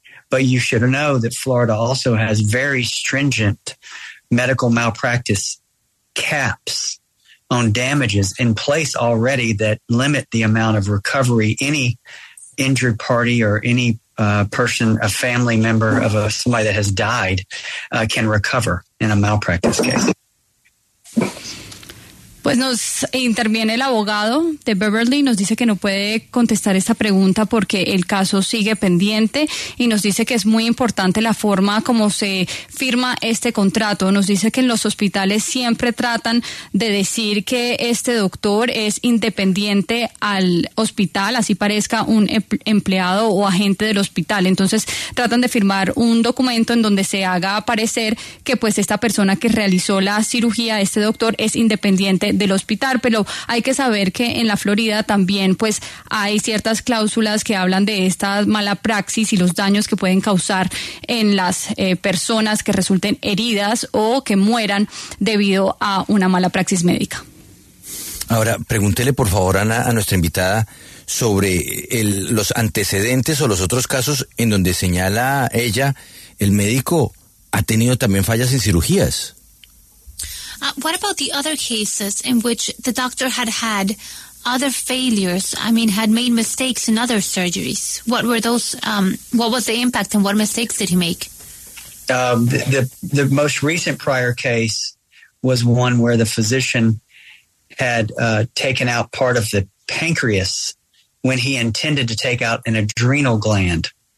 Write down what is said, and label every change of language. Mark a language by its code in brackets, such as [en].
[en] But you should know that Florida also has very stringent medical malpractice caps on damages in place already that limit the amount of recovery any injured party or any person, a family member of somebody that has died, can recover in a malpractice case. [es] Pues nos interviene el abogado de Beverly, nos dice que no puede contestar esta pregunta porque el caso sigue pendiente, y nos dice que es muy importante la forma como se firma este contrato. Nos dice que en los hospitales siempre tratan de decir que este doctor es independiente al hospital, así parezca un empleado o agente del hospital. Entonces tratan de firmar un documento en donde se haga aparecer que pues esta persona que realizó la cirugía, este doctor, es independiente del hospital. Pero hay que saber que en la Florida también pues hay ciertas cláusulas que hablan de esta mala praxis y los daños que pueden causar en las personas que resulten heridas o que mueran debido a una mala praxis médica. Ahora, pregúntele por favor, Ana, a nuestra invitada sobre los antecedentes o los otros casos en donde señala ella el médico ha tenido también fallas en cirugías. [en] What about the other cases in which the doctor had other failures, I mean, had made mistakes in other surgeries. What were those, what was the impact and what mistakes did he make? The most recent prior case was one where the physician had taken out part of the pancreas when he intended to take out an adrenal gland.